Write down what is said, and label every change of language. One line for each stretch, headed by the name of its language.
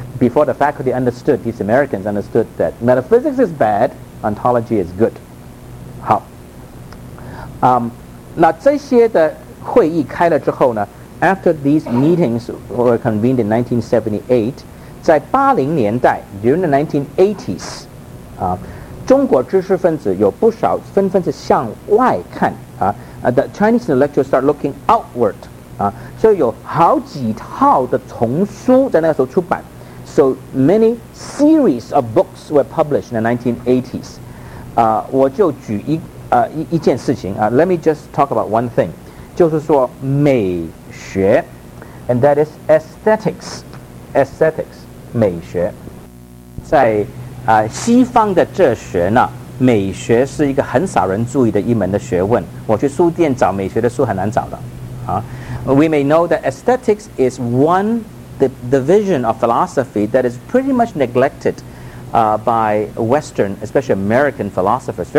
English: Before the faculty understood these Americans understood that metaphysics is bad ontology is good
Chinese: 好、那这些的会议开了之后呢
English: after these meetings were convened in 1978
Chinese: 在80年代
English: during the 1980s
Chinese: 中国知识分子有不少纷纷是向外看
English: the Chinese intellectuals start looking outward.
Chinese: 所以有好几套的丛书在那个时候出版。
English: So many series of books were published in the 1980s.
Chinese: 我就举一件事情
English: let me just talk about one thing.
Chinese: 就是说美学
English: and that is aesthetics. Aesthetics, 美学。
Chinese: 在西方的哲学呢美学是一个很少人注意的一门的学问。我去书店找美学的书很难找的。
English: We may know that aesthetics is one division of philosophy that is pretty much neglected by Western, especially American philosophers.